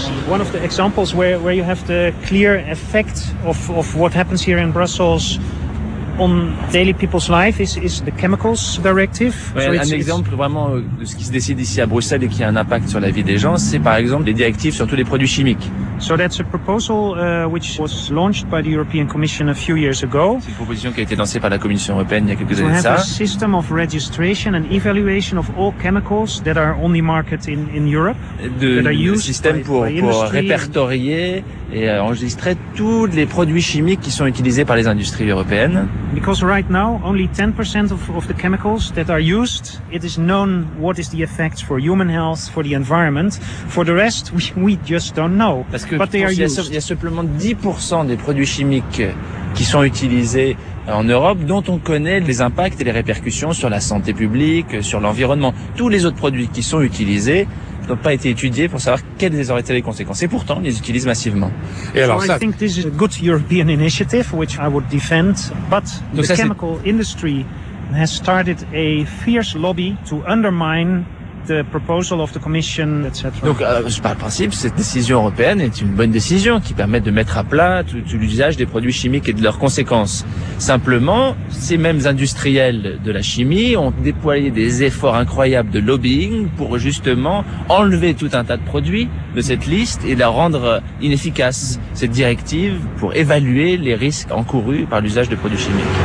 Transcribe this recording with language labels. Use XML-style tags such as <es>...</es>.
<en>One of the examples where you have the clear effect of what happens here in Brussels on daily people's life is the chemicals directive.</en> <fr>Ouais, so un exemple vraiment de ce qui se décide ici à Bruxelles et qui a un impact sur la vie des gens, c'est par exemple les directives sur tous les produits chimiques.</fr> <en>So that's a proposal which was launched by the European Commission a few years ago.</en> <fr>C'est une proposition qui a été lancée par la Commission européenne il y a quelques années.</fr> <en>To have a system of registration and evaluation of all chemicals that are on the market in Europe.</en> <fr>Un système pour répertorier et enregistrer tous les produits chimiques qui sont utilisés par les industries européennes.</fr> <en>Because right now only 10% of the chemicals that are used, it is known what is the effect for human health, for the environment. For the rest, we just don't know.</en> <fr>Parce que il y a simplement 10% des produits chimiques qui sont utilisés en Europe dont on connaît les impacts et les répercussions sur la santé publique, sur l'environnement. Tous les autres produits qui sont utilisés n'ont pas été étudiés pour savoir quelles auraient été les conséquences. Et pourtant, on les utilise massivement. Et alors,</fr> <en>I think this is a good European initiative, which I would defend. But the chemical industry has started a fierce lobby to undermine the proposal of the commission, etc.</en> <fr>Donc, par principe, cette décision européenne est une bonne décision qui permet de mettre à plat tout l'usage des produits chimiques et de leurs conséquences. Simplement, ces mêmes industriels de la chimie ont déployé des efforts incroyables de lobbying pour justement enlever tout un tas de produits de cette liste et la rendre inefficace, cette directive, pour évaluer les risques encourus par l'usage de produits chimiques.</fr>